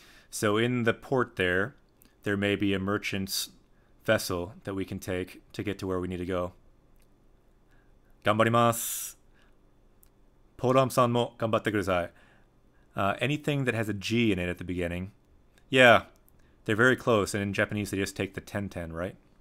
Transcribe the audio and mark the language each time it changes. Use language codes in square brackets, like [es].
[en] So in the port there, there may be a merchant's vessel that we can take to get to where we need to go. [ja] 頑張ります! ポーラムさんも頑張ってください! [en] Anything that has a G in it at the beginning. Yeah, they're very close, and in Japanese they just take the 10-10, right?